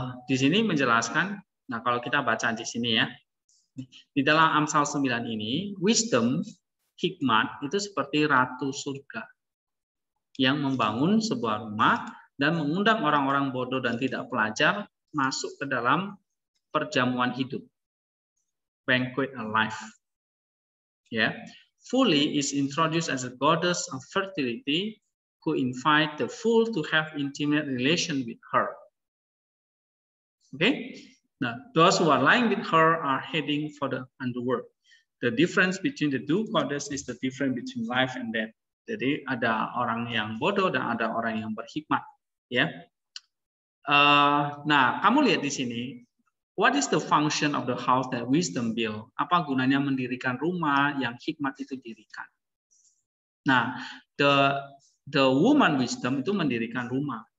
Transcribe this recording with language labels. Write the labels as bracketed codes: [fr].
[id] Di sini menjelaskan. Nah, kalau kita baca di sini ya, di dalam Amsal 9 ini, wisdom, hikmat itu seperti ratu surga yang membangun sebuah rumah dan mengundang orang-orang bodoh dan tidak pelajar masuk ke dalam perjamuan hidup. [en] Banquet of life. Yeah. Fully is introduced as a goddess of fertility who invite the fool to have intimate relation with her. Okay? Now, those who are lying with her are heading for the underworld. The difference between the two goddess is the difference between life and death. [id] Jadi ada orang yang bodoh dan ada orang yang berhikmat, ya. Nah, kamu lihat di sini, [en] what is the function of the house that wisdom build? [id] Apa gunanya mendirikan rumah yang hikmat itu dirikan? Nah, [en] the woman wisdom [id] itu mendirikan rumah.